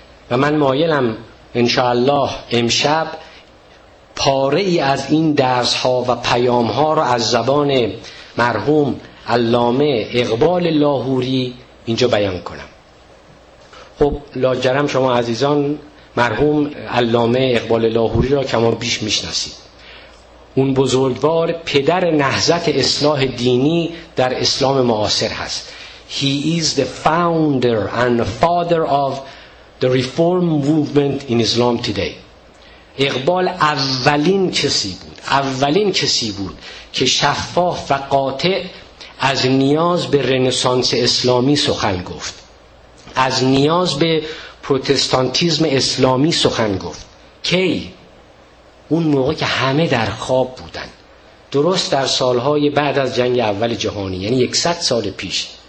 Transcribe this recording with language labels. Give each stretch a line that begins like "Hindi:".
Persian: و من مایلم انشاءالله امشب پاره ای از این درس ها و پیام ها رو از زبان مرحوم علامه اقبال لاهوری اینجا بیان کنم. خب لاجرم شما عزیزان مرحوم علامه اقبال لاهوری را کما بیش میشناسید. اون بزرگوار پدر نهضت اصلاح دینی در اسلام معاصر هست.
English: He is the founder and father of the reform movement in Islam today.
Persian: اقبال اولین کسی بود که شفاف و قاطع از نیاز به رنسانس اسلامی سخن گفت، از نیاز به پروتستانتیزم اسلامی سخن گفت. کی؟ اون موقع که همه در خواب بودن، درست در سالهای بعد از جنگ اول جهانی، یعنی 100 سال پیش.